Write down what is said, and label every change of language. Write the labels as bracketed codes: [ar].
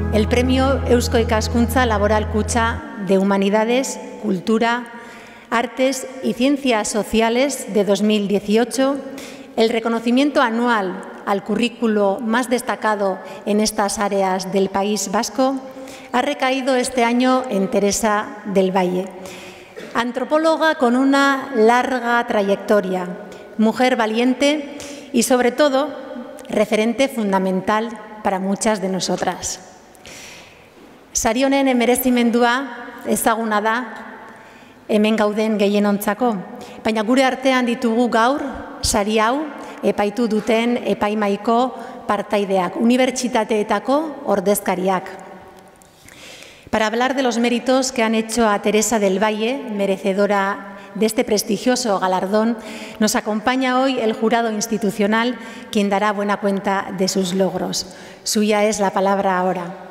[es] premio Eusko Ikaskuntza Laboral Kutxa de Humanidades, Cultura, Artes y Ciencias Sociales de 2018, el reconocimiento anual al currículo más destacado en estas áreas del País Vasco, ha recaído este año en Teresa del Valle. Antropóloga con una larga trayectoria, mujer valiente y, sobre todo, referente fundamental para muchas de nosotras. [eu] Sarionen merezimendua ezaguna da hemen gauden gehienontzako, baina gure artean ditugu gaur sari hau epaitu duten epaimaiko partaideak, unibertsitateetako ordezkariak. [es] Para hablar de los méritos que han hecho a Teresa del Valle, merecedora de este prestigioso galardón, nos acompaña hoy el jurado institucional, quien dará buena cuenta de sus logros. Suya es la palabra ahora.